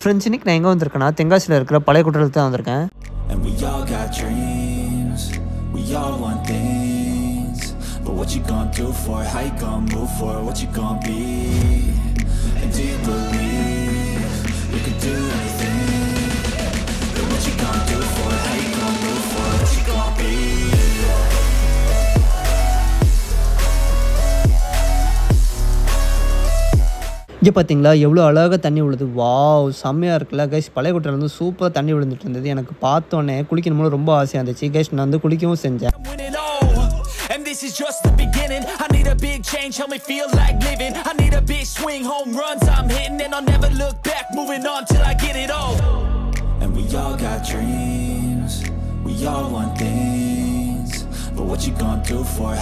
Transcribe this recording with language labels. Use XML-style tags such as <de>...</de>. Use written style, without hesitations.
<ta>Friends இன்னைக்கு நான் எங்கே வந்திருக்கேன்னா தென்காசியில் இருக்கிற பழைய குற்றத்தில் தான் வந்திருக்கேன்.</ta> <en>And we all got dreams, we all want things, but what you gonna do for it? How you gonna move for it? What you gonna be? And do you believe you can do anything? But what you gonna do for it? How you gonna move for it? What you gonna be?</en> <ta>இங்கே பார்த்தீங்களா எவ்வளோ அழகாக தண்ணி விழுது. வா, செம்மையாக இருக்குல்ல guys. பழைய குட்டையிலேருந்து சூப்பராக தண்ணி விழுந்துட்டு இருந்தது. எனக்கு பார்த்தோன்னே குளிக்கணும் போல ரொம்ப ஆசையாக இருந்துச்சு கைஸ். நான் வந்து குளிக்கவும் செஞ்சேன்.</ta> <en>And this is just the beginning. I need a big change, help me feel like living. I need a big swing, home runs I'm hitting. And I'll never look back, moving on till I get it all. And we all got dreams, we all want things, but what you gonna do for it?</en>